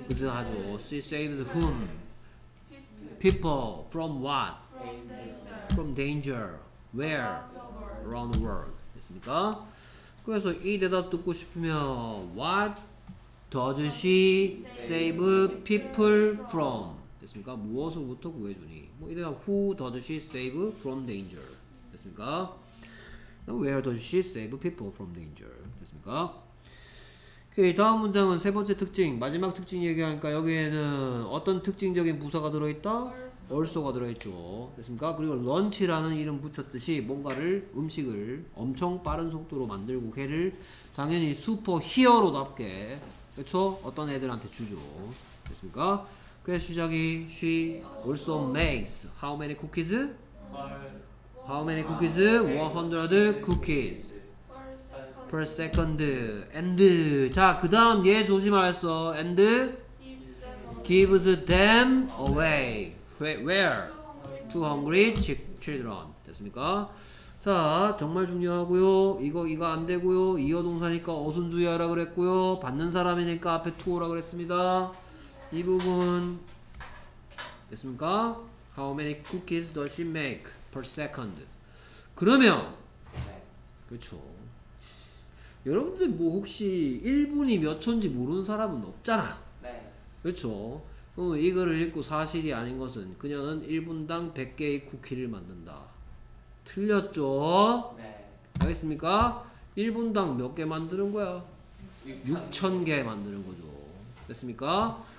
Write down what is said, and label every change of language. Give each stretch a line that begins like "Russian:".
Korean: 그죠 하죠.
English: She saves whom? People from what? From danger. From danger. Where? Around the world.
Korean: 됐습니까? 그래서 이 대답 듣고 싶으면
English: what does she save people from?
Korean: 됐습니까? 무엇으로부터 구해주니? 뭐 이래야
English: who does she save from danger?
Korean: 됐습니까?
English: Where does she save people from danger? 됐습니까?
Korean: 오케이, 다음 문장은 세 번째 특징, 마지막 특징 얘기하니까 여기에는 어떤 특징적인 부사가 들어있다? also가 들어있죠. 됐습니까? 그리고 런치라는 이름 붙였듯이 뭔가를 음식을 엄청 빠른 속도로 만들고 걔를 당연히 슈퍼 히어로답게 그쵸? 어떤 애들한테 주죠. 됐습니까? 그의 시작이
English: she also makes how many cookies?
Korean: How many cookies?
English: 100 cookies per second. And
Korean: 자 그 다음 얘 조심하였어.
English: And gives them away. Where? To hungry children.
Korean: 됐습니까? 자 정말 중요하고요. 이거 안 되고요. 이어 동사니까 어순주의하라 그랬고요. 받는 사람이니까 앞에 to 오라 그랬습니다. 이 부분 됐습니까?
English: How many cookies does she make per second?
Korean: 그러면 그렇죠. 여러분들 뭐 혹시 1분이 몇 초인지 모르는 사람은 없잖아. 네. 그렇죠. 그럼 이거를 읽고 사실이 아닌 것은 그녀는 1분당 100개의 쿠키를 만든다. 틀렸죠? 네. 알겠습니까? 1분당 몇 개 만드는 거야? 6,000개 만드는 거죠. 됐습니까?